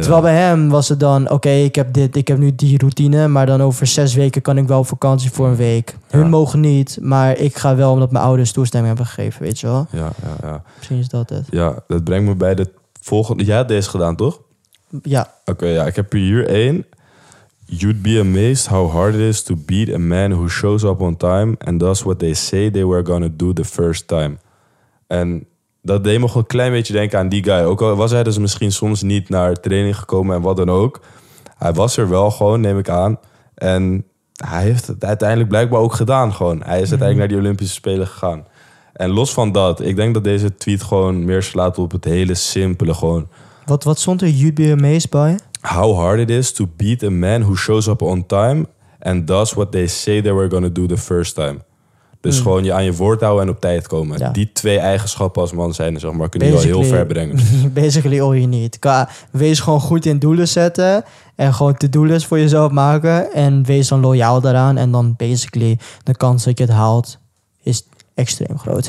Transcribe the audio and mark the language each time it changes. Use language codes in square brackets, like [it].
[nl] Terwijl bij hem was het dan, ik heb nu die routine, maar dan over 6 weken kan ik wel op vakantie voor een week. Hun mogen niet, maar ik ga wel omdat mijn ouders toestemming hebben gegeven, weet je wel. Ja. Misschien is dat het. Ja, dat brengt me bij de... Volgende, jij hebt deze gedaan, toch? Ja. Oké, ik heb hier 1. [en] You'd be amazed how hard it is to beat a man who shows up on time and does what they say they were gonna do the first time. [nl] En dat deed me gewoon een klein beetje denken aan die guy. Ook al was hij dus misschien soms niet naar training gekomen en wat dan ook. Hij was er wel gewoon, neem ik aan. En hij heeft het uiteindelijk blijkbaar ook gedaan gewoon. Hij is uiteindelijk naar die Olympische Spelen gegaan. En los van dat, ik denk dat deze tweet gewoon meer slaat op het hele simpele gewoon. Wat stond er? [en] You'd be amazed by? How hard it is to beat a man who shows up on time and does what they say they were gonna do the first time. [nl] Dus gewoon je aan je woord houden en op tijd komen. Ja. Die twee eigenschappen als man zijn, zeg maar, kunnen je wel heel ver brengen. [en] Basically all you need. [nl] Wees gewoon goed in doelen zetten en gewoon de doelen voor jezelf maken en wees dan loyaal daaraan en dan basically de kans dat je het haalt is extreem groot.